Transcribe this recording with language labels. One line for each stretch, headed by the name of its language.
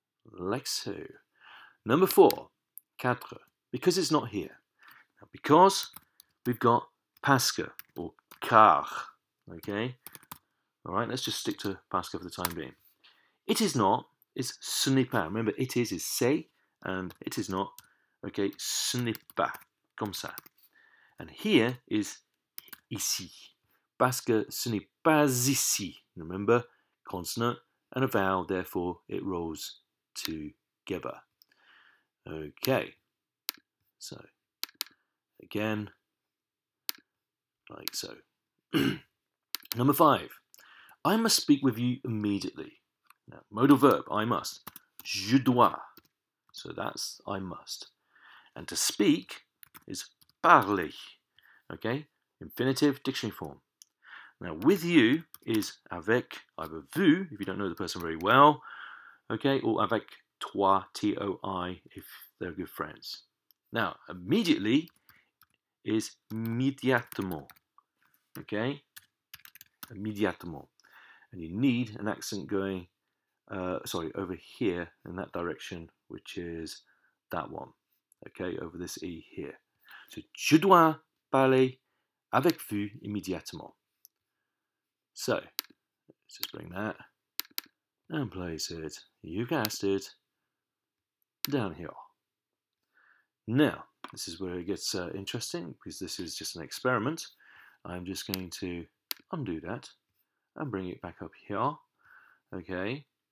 English: Like so. Number four. Quatre. Because it's not here. Now, because we've got parce or car. Okay. All right. Let's just stick to parce for the time being. It is not. It's
French: ce n'est pas.
English: Remember, it is c'est, and it is not.
French: Okay, ce n'est pas, comme ça.
English: And here is
French: ici, parce que ce n'est pas ici.
English: Remember, consonant and a vowel, therefore it rolls together. Okay, so again, like so. Number five, I must speak with you immediately. Now, modal verb, I must.
French: Je dois.
English: So that's I must. And to speak is parler. Okay? Infinitive, dictionary form. Now, with you is avec, either vous, if you don't know the person very well. Okay? Or
French: avec toi,
English: T-O-I, if they're good friends. Now, immediately is immediatement. Okay? Immediatement. And you need an accent going... over here in that direction, which is that one. Okay, over this E here.
French: So, je dois parler avec vous immédiatement.
English: So, let's just bring that and place it, you guessed it, down here. Now, this is where it gets interesting, because this is just an experiment. I'm just going to undo that and bring it back up here. Okay.